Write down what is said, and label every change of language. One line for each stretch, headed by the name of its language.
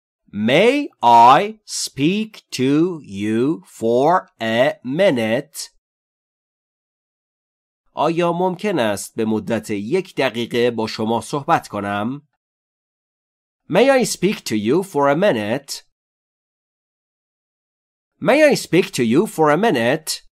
English: May I speak to you for a minute?
Persian: آیا ممکن است به مدت یک دقیقه با شما صحبت کنم؟
English: May I speak to you for a minute? May I speak to you for a minute?